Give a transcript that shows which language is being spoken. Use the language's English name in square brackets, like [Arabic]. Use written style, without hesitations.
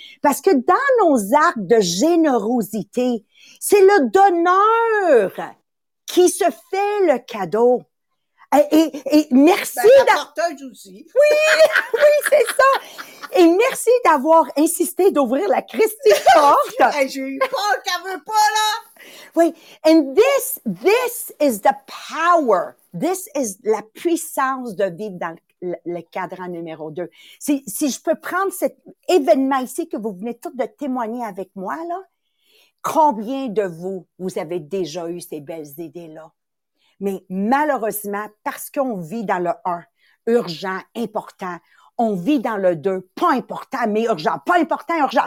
[French] Parce que dans nos actes de générosité, c'est le donneur qui se fait le cadeau. Et merci... Ben, l'apporteuse aussi. Oui, oui, c'est ça. Et merci d'avoir insisté d'ouvrir la Christie porte. J'ai eu peur qu'elle veut pas, là. [English] Oui, and this is the power. This is [French] la puissance de vivre dans le cadran numéro 2. Si je peux prendre cet événement ici que vous venez tous de témoigner avec moi, là, combien de vous avez déjà eu ces belles idées-là? Mais malheureusement, parce qu'on vit dans le 1, urgent, important, on vit dans le 2, pas important, mais urgent, pas important, urgent.